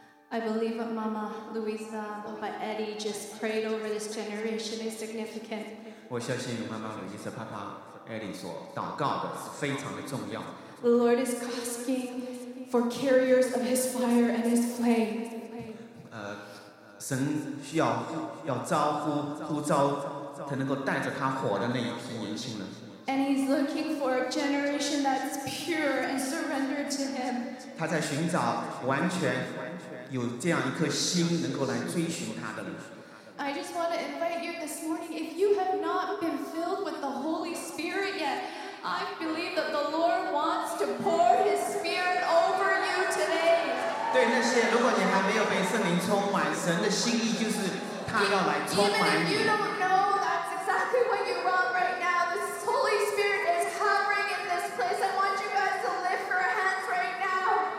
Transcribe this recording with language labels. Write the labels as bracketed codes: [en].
[en] I believe what Mama Luisa, Papa Eddie just prayed over this generation is significant. [zh] 我相信妈妈路易斯、爸爸 Eddie 所祷告的是非常的重要。 [en] The Lord is asking for carriers of His fire and His flame. [zh] 神需要招呼才能够带着他火的那一批年轻人。 [en] And He's looking for a generation that's pure and surrendered to Him. [zh] 他在寻找完全。有这样一颗心能够来追寻他的人。 [en] I just want to invite you this morning. If you have not been filled with the Holy Spirit yet, I believe that the Lord wants to pour His Spirit over you today. [zh] 对那些如果你还没有被圣灵充满，神的心意就是他要来充满你。 [en] Even if you don't know that's exactly what you want right now, the Holy Spirit is hovering in this place. I want you guys to lift your hands right now.